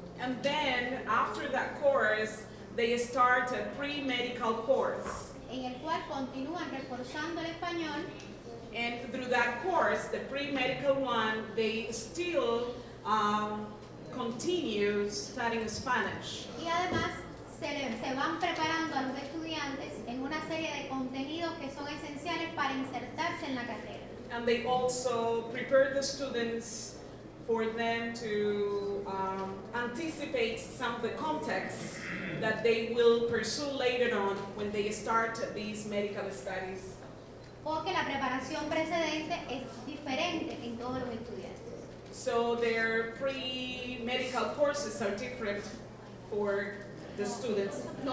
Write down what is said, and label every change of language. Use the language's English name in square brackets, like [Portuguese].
[English] And then, after that course, they start a pre-medical course. [Spanish] En el cual continúan reforzando el español. [English] And through that course, the pre-medical one, they still continue studying Spanish. [Spanish] Y además, se van preparando a los estudiantes en una serie de contenidos que son esenciales para insertarse en la carrera. [English] And they also prepare the students for them to anticipate some of the contexts that they will pursue later on when they start these medical studies. [Spanish] Porque la preparación precedente es diferente en todos los estudiantes. [English] So their pre-medical courses are different for the students.